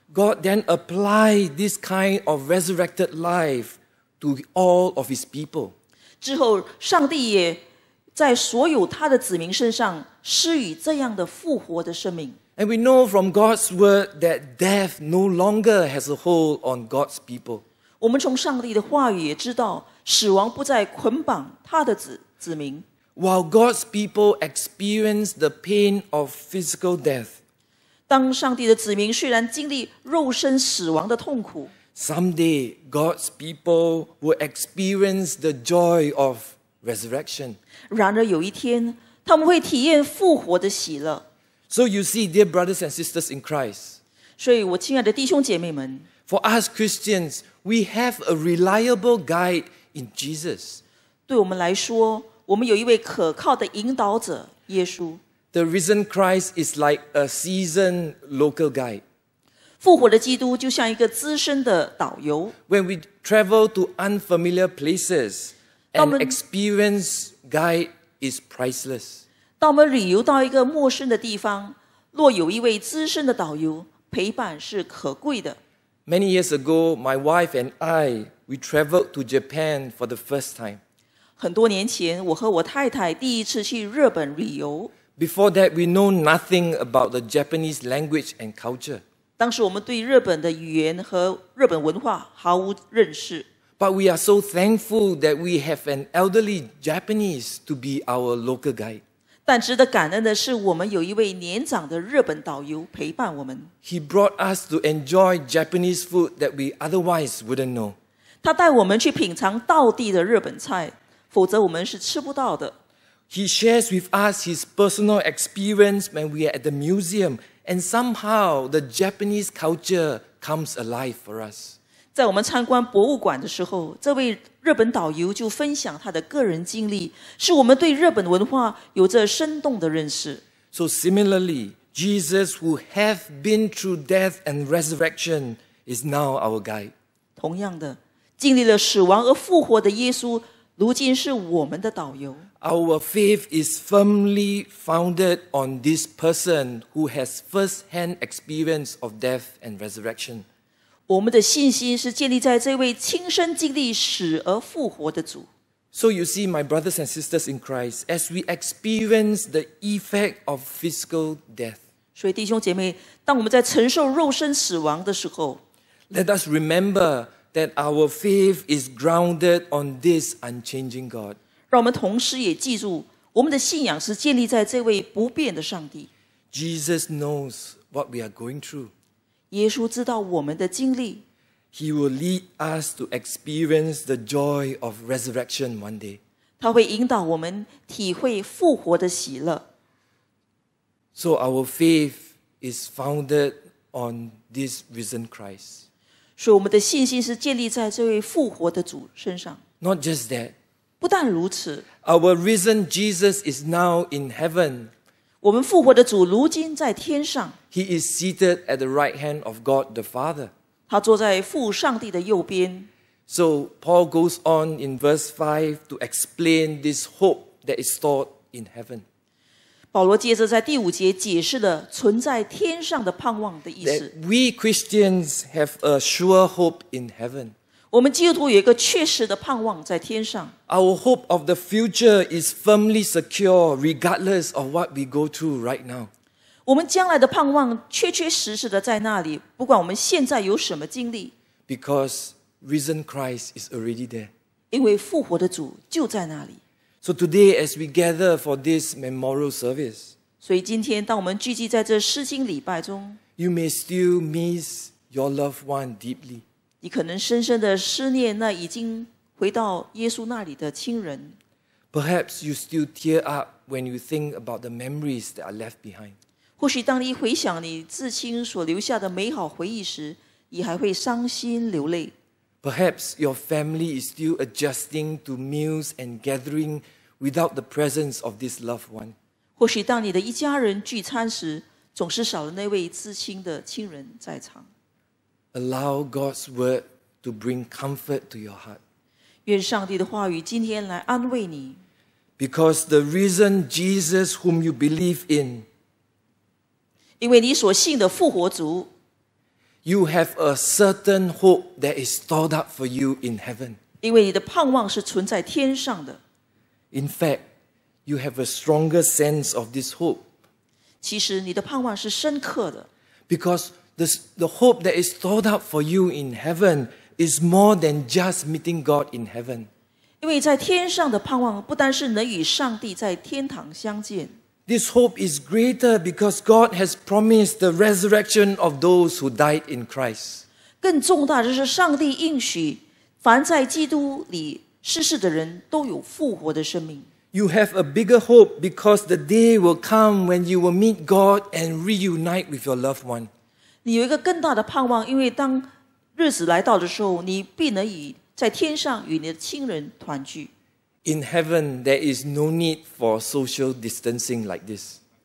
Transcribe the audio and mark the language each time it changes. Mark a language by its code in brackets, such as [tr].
[en] God then applied this kind of resurrected life to all of His people. [zh] 之后上帝也在所有他的子民身上施予这样的复活的生命。 [en] And we know from God's word that death no longer has a hold on God's people. [zh] 我们从上帝的话语也知道死亡不再捆绑他的 子民。 [en] While God's people experience the pain of physical death, [zh] 当上帝的子民虽然经历肉身死亡的痛苦， [en] Someday, God's people will experience the joy of resurrection. [zh] 然而有一天，他们会体验复活的喜乐。 [en] So you see, dear brothers and sisters in Christ, [zh] 所以我亲爱的弟兄姐妹们， [en] for us Christians, we have a reliable guide in Jesus. [zh] 对我们来说，我们有一位可靠的引导者，耶稣。 [en] The risen Christ is like a seasoned local guide. [zh] 复活的基督就像一个资深的导游。 [en] When we travel to unfamiliar places, an experienced guide is priceless. [zh] 当我们旅游到一个陌生的地方，若有一位资深的导游，陪伴是可贵的。 [en] Many years ago, my wife and I, we traveled to Japan for the first time. [zh] 很多年前，我和我太太第一次去日本旅游。 [en] Before that, we know nothing about the Japanese language and culture. [zh] 当时我们对日本的语言和日本文化毫无认识。 [en] But we are so thankful that we have an elderly Japanese to be our local guide. [zh] 但值得感恩的是，我们有一位年长的日本导游陪伴我们。 [en] He brought us to enjoy Japanese food that we otherwise wouldn't know. [zh] 他带我们去品尝道地的日本菜，否则我们是吃不到的。 [en] He shares with us his personal experience when we are at the museum. And somehow, the Japanese culture comes alive for us. [zh] 在我们参观博物馆的时候，这位日本导游就分享他的个人经历，使我们对日本文化有着生动的认识。 [en] So similarly, Jesus, who have been through death and resurrection, is now our guide. [zh] 同样的，经历了死亡而复活的耶稣，如今是我们的导游。 [en] Our faith is firmly founded on this person who has first-hand experience of death and resurrection. [zh] 我们的信心是建立在这位亲身经历死而复活的主。 [en] So you see, my brothers and sisters in Christ, as we experience the effect of physical death, [zh] 所以弟兄姐妹，当我们在承受肉身死亡的时候， [en] let us remember that our faith is grounded on this unchanging God. [zh] 让我们同时也记住，我们的信仰是建立在这位不变的上帝。 [en] Jesus knows what we are going through. [zh] 耶稣知道我们的经历。 [en] He will lead us to experience the joy of resurrection one day. [zh] 他会引导我们体会复活的喜乐。 [en] So our faith is founded on this risen Christ. [zh] 所以我们的信心是建立在这位复活的主身上。 [en] Not just that. [zh] 不但如此。 [en] Our risen Jesus is now in heaven. [zh] 我们复活的主如今在天上。 [en] He is seated at the right hand of God the Father. [zh] 他坐在父上帝的右边。 [en] So Paul goes on in verse 5 to explain this hope that is stored in heaven. [zh] 保罗接着在第五节解释了存在天上的盼望的意思。 [en] That we Christians have a sure hope in heaven. [zh] 我们基督徒有一个确实的盼望在天上。 [en] Our hope of the future is firmly secure regardless of what we go through right now. [zh] 我们将来的盼望确确实实的在那里，不管我们现在有什么经历。 [en] Because risen Christ is already there. [zh] 因为复活的主就在那里。 [en] So today, as we gather for this memorial service, [zh] 所以今天当我们聚集在这思亲礼拜中， [en] you may still miss your loved one deeply. [zh] 你可能深深的思念那已经回到耶稣那里的亲人。 [en] Perhaps you still tear up when you think about the memories that are left behind. [zh] 或许当你回想你至亲所留下的美好回忆时，你还会伤心流泪。 [en] Perhaps your family is still adjusting to meals and gathering without the presence of this loved one. [zh] 或许当你的一家人聚餐时，总是少了那位至亲的亲人在场。 [en] Allow God's word to bring comfort to your heart. [zh] 愿上帝的话语今天来安慰你。 [en] Because the risen Jesus whom you believe in, [zh] 因为你所信的复活主。 [en] You have a certain hope that is stored up for you in heaven. [zh] 因为你的盼望是存在天上的。 [en] In fact, you have a stronger sense of this hope. [zh] 其实你的盼望是深刻的。 [en] Because the hope that is stored up for you in heaven is more than just meeting God in heaven. [zh] 因为在天上的盼望不单是能与上帝在天堂相见。 [en] This hope is greater because God has promised the resurrection of those who died in Christ. [zh] 更重大的是上帝应许凡在基督里世世的人都有复活的生命。 [en] You have a bigger hope because the day will come when you will meet God and reunite with your loved one. [zh] 你有一个更大的盼望，因为当日子来到的时候，你必能与在天上与你的亲人团聚。 [en] In heaven, there is no need for social distancing like this.